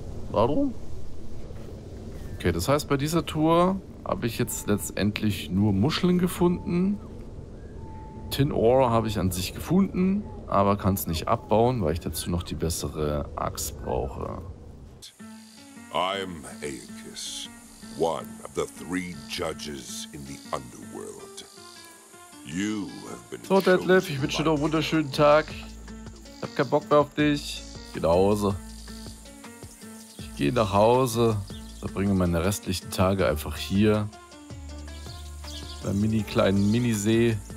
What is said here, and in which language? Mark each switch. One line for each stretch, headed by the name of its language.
German: Warum? Okay, das heißt, bei dieser Tour habe ich jetzt letztendlich nur Muscheln gefunden. Tin Ore habe ich an sich gefunden. Aber kann es nicht abbauen, weil ich dazu noch die bessere Axt brauche.
English: I'm Aeacus, one of the three judges in the underworld. You have been
German: so, Detlef, ich wünsche dir noch einen wunderschönen Tag. Ich hab keinen Bock mehr auf dich. Ich geh nach Hause. Ich geh nach Hause. Verbringe meine restlichen Tage einfach hier. Beim mini kleinen Minisee.